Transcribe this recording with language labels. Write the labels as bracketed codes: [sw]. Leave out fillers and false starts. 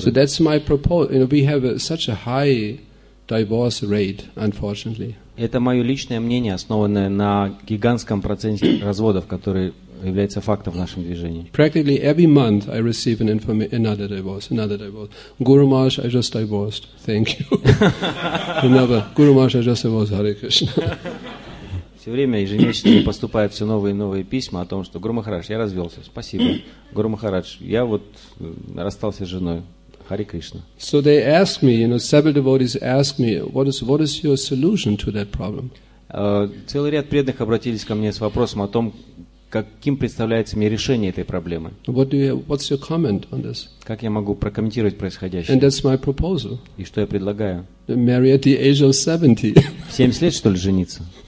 [en] So that's my proposal. You know, we have such a high divorce rate, unfortunately. [ru] Это мое личное мнение, основанное на гигантском проценте разводов, который является фактом в нашем движении. [en] Practically every month I receive another divorce. Guru Maharaj, I just divorced. Thank you. Another. Guru Maharaj, I just divorced. Hare Krishna. [ru] Все время ежемесячно поступают все новые и новые письма о том, что Гуру Махарадж, я развелся, спасибо. Гуру Махарадж, я вот расстался с женой. Харе Кришна. [en] So they ask me, you know, several devotees ask me, what is your solution to that problem? [ru] Целый ряд преданных обратились ко мне с вопросом о том, каким представляется мне решение этой проблемы. [en] What's your comment on this? [ru] Как я могу прокомментировать происходящее? [en] And that's my proposal. [ru] И что я предлагаю? [en] Marry at the age of 70. [ru] В 70 лет, что ли, жениться?